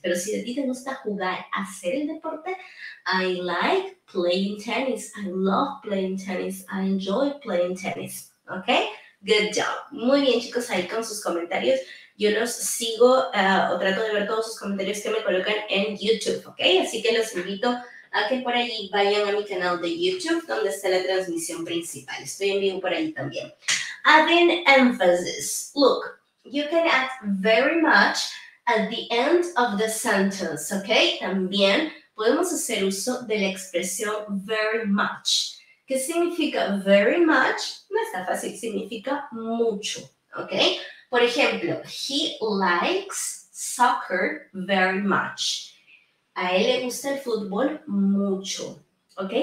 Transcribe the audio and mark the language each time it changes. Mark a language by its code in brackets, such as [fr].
[es] Pero si a ti te gusta jugar, hacer el deporte, [en] I like playing tennis, I love playing tennis, I enjoy playing tennis. ¿Ok? Good job. [es] Muy bien, chicos, ahí con sus comentarios. Yo los sigo o trato de ver todos sus comentarios que me colocan en YouTube. ¿Ok? Así que los invito a que por allí vayan a mi canal de YouTube donde está la transmisión principal. Estoy en vivo por ahí también. [en] Adding emphasis. Look, you can add very much at the end of the sentence, ¿ok? [es] También podemos hacer uso de la expresión very much. ¿Qué significa very much? No está fácil, significa mucho, ¿ok? Por ejemplo, [en] he likes soccer very much. [es] A él le gusta el fútbol mucho. ¿Ok?